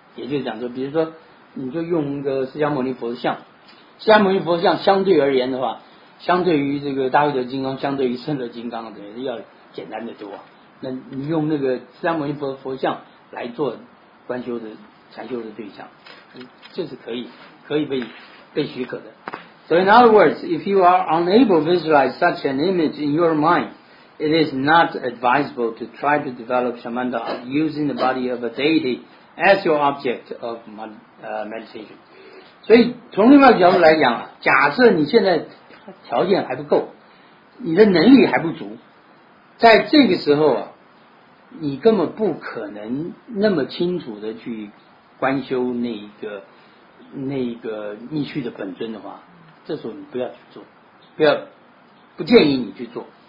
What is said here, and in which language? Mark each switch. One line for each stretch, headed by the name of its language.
Chinese: 也就是讲说，比如说，你就用一个释迦牟尼佛像，释迦牟尼佛像相对而言的话，相对于这个大威德金刚，相对于圣德金刚，等于是要简单的多啊。那你用那个释迦牟尼佛像来做观修的禅修的对象，这是可以被许可的。
English: So in other words, if you are unable to visualize such an image in your mind, it is not advisable to try to develop shamanda using the body of a deity as your object of meditation.
Chinese: 所以从另外一个角度来讲，假设你现在条件还不够，你的能力还不足，在这个时候啊，你根本不可能那么清楚的去观修那个密续的本尊的话，这时候你不要去做，不建议你去做。